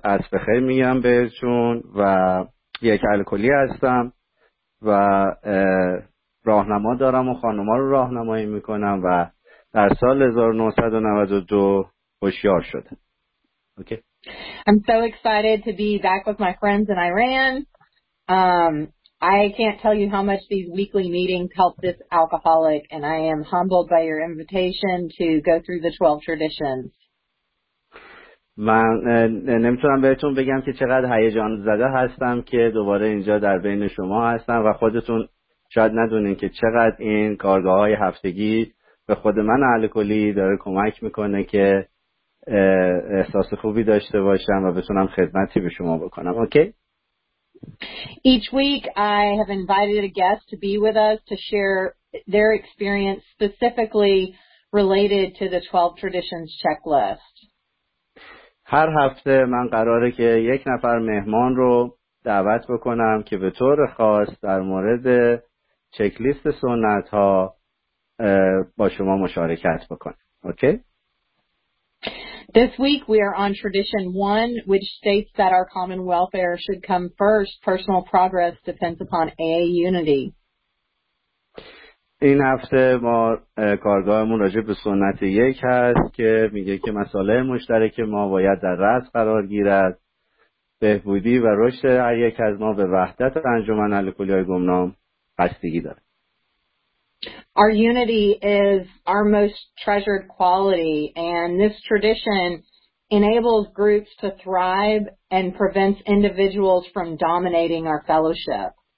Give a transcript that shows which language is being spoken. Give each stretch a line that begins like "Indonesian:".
Persian: از بخیر میگم بهتون و یک الکلی هستم و راهنما دارم و خانوما رو راهنمایی میکنم و در سال 1992 هوشیار شدم. اوکی.
English: I'm so excited to be back with my friends in Iran. I can't tell you how much these weekly meetings help this alcoholic, and I am humbled by your invitation to go through the 12 traditions.
Persian: من نمیتونم بهتون بگم که چقدر هیجان زده هستم که دوباره اینجا در بین شما هستم و خودتون شاید ندونین که چقدر این کارگاه های هفتگی به خود من الکلی داره کمک میکنه که احساس خوبی داشته باشم و بتونم خدمتی به شما بکنم. اوکی.
English: Each week I have invited a guest to be with us to share their experience specifically related to the 12 traditions checklist.
Persian: هر هفته من قراره که یک نفر مهمان رو دعوت بکنم که به طور خاص در مورد چک لیست سنت ها با شما مشارکت بکنه. اوکی.
English: This week we are on tradition 1, which states that our common welfare should come first. Personal progress depends upon AA unity.
Persian: این هفته ما کارگاهمون راجع به سنت 1 هست که میگه که مصالح مشترک ما باید در رأس قرار گیرد. بهبودی و رشد هر یک از ما به وحدت انجمن الکلی‌های گمنام بستگی دارد.
English: Our unity is our most treasured quality, and this tradition enables groups to thrive and prevents individuals from dominating our fellowship.